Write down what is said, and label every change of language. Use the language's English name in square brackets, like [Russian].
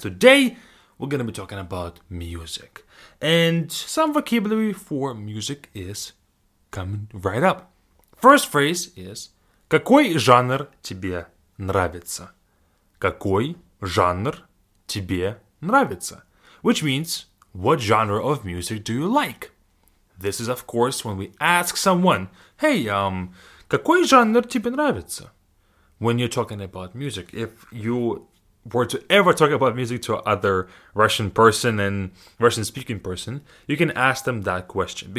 [English] Today, we're going to be talking about music. And some vocabulary for music is coming right up. First phrase is, [Russian] какой жанр тебе нравится? Какой жанр тебе нравится? [English] Which means, what genre of music do you like? This is, of course, when we ask someone, Hey, [Russian] какой жанр тебе нравится? [English] When you're talking about music, if you were to ever talk about music to other Russian person and Russian-speaking person, you can ask them that question.